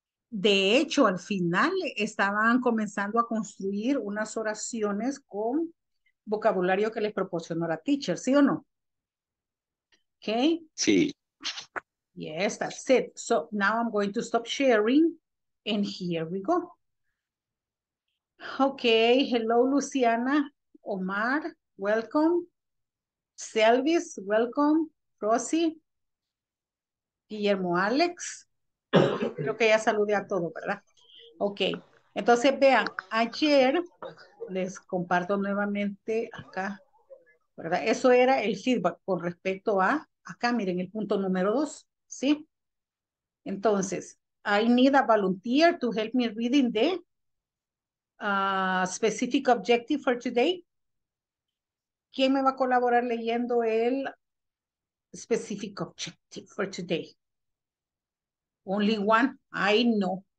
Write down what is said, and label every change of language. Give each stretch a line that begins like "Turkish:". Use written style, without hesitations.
Spanish: De hecho, al final estaban comenzando a construir unas oraciones con vocabulario que les proporcionó la teacher, ¿sí o no? Okay. Sí.
English: Yes, that's it. So now I'm going to stop sharing and here we go. Okay, hello Luciana, Omar, welcome. Selvis, welcome. Rosy, Guillermo, Alex.
Spanish: Creo que ya saludé a todos, ¿verdad? Okay, entonces vean, ayer les comparto nuevamente acá, ¿verdad? Eso era el feedback con respecto a acá, miren, el punto número 2, ¿sí?
English: Entonces, I need a volunteer to help me reading the. Specific objective for today.
Spanish: ¿Quién me va a colaborar leyendo el
English: specific objective for today? Only one. I know.